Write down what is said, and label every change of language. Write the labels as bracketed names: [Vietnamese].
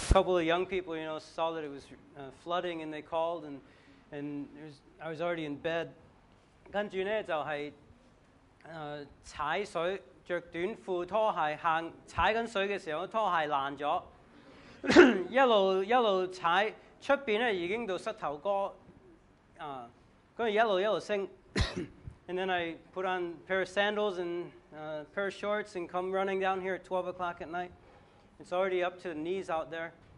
[English] couple of young people, you know, saw that it was flooding, and they called, and I was already in bed. [Cantonese] 跟住呢就係踩水，著短褲拖鞋行，踩緊水嘅時候，拖鞋爛咗，一路踩，出邊咧已經到膝頭哥，跟住一路升。 [English] And then I put on a pair of sandals and a pair of shorts and come running down here at 12 o'clock at night. It's already up to the knees out there.